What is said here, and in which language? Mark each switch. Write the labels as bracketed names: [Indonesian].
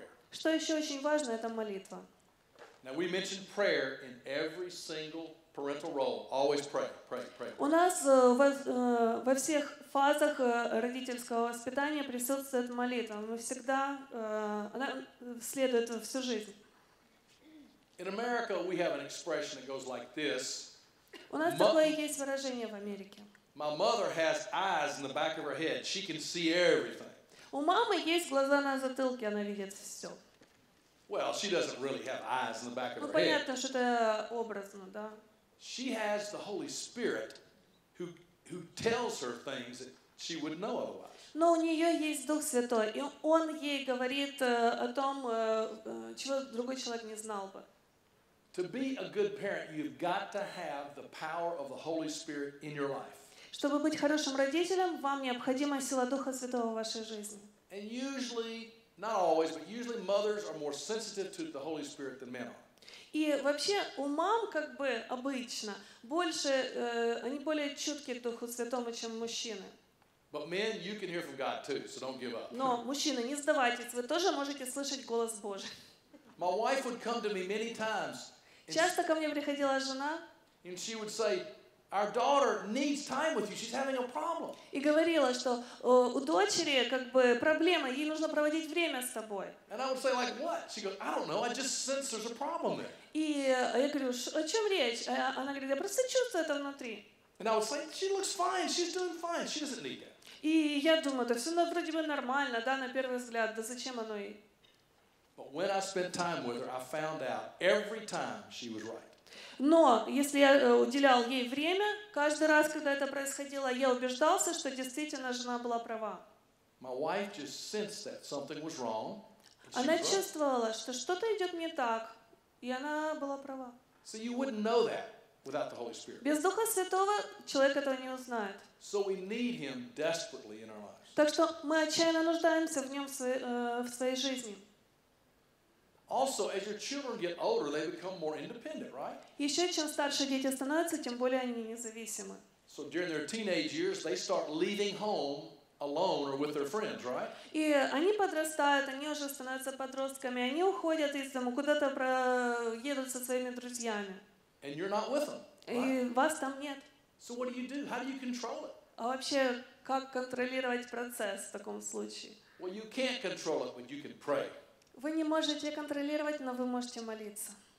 [Russian] Что еще очень важно, это молитва. [English] Now we mentioned prayer in every single parental role. Always pray, pray, pray. [Russian] У нас во всех фазах родительского воспитания присутствует молитва. Мы всегда она следует всю жизнь. [English] In America, we have an expression that goes like this. [Russian] У нас такое есть выражение в Америке. [English] My mother has eyes in the back of her head. She can see everything. [Russian] У мамы есть глаза на затылке, она видит все. [English] Well, she doesn't really have eyes in the back of her head. [Russian] Понятно, что это образно, да. [English] She has the Holy Spirit, who tells her things that she wouldn't know otherwise. [Russian] Но у нее есть Дух Святой, и он ей говорит о том, чего другой человек не знал бы. [English] To be a good parent, you've got to have the power of the Holy Spirit in your life. [Russian] Чтобы быть хорошим родителем, вам необходима сила Духа Святого в вашей жизни. [English] And usually, not always, but usually mothers are more sensitive to the Holy Spirit than men are. [Russian] И вообще у мам, как бы обычно, больше они более чутки к Духу Святому, чем мужчины. [English] But men, you can hear from God too, so don't give up. [Russian] Но мужчины, не сдавайтесь, вы тоже можете слышать голос Божий. [English] My wife would come to me many times. [Russian] Часто ко мне приходила жена. [English] And she would say, "Our daughter needs time with you. She's having a problem." [Russian] И говорила, что у дочери как бы проблема, ей нужно проводить время с тобой. [English] And I would say, "Like what?" She goes, "I don't know. I just sense there's a problem there." [Russian] И я говорю, о чем речь? Она говорит, я просто чувствую это внутри. [English] And I would say, "She looks fine. She's doing fine. She doesn't need that." [Russian] И я думаю, это все вроде бы нормально, да, на первый взгляд. Да зачем оно ей? [English] But when I spent time with her, I found out every time she was right. [Russian] Но если я уделял ей время, каждый раз, когда это происходило, я убеждался, что действительно жена была права. [English] My wife just sensed that something was wrong. [Russian] Она чувствовала, что что-то идет не так, и она была права. [English] So you wouldn't know that without the Holy Spirit. [Russian] Без Духа Святого человек этого не узнает. [English] So we need Him desperately in our lives. [Russian] Так что мы отчаянно нуждаемся в Нем в своей жизни. [English] Also, as your children get older, they become more independent, right? [Russian] Еще чем старше дети становятся, тем более они независимы. [English] So during their teenage years, they start leaving home alone or with their friends, right? [Russian] И они подрастают, они уже становятся подростками, они уходят из дома, куда-то едут со своими друзьями. [English] And you're not with them. [Russian] И вас там нет. [English] So what do? How do you control it? [Russian] А вообще, как контролировать процесс в таком случае? [English] Well, you can't control it, but you can pray. [Russian] Вы не можете контролировать, но вы можете молиться.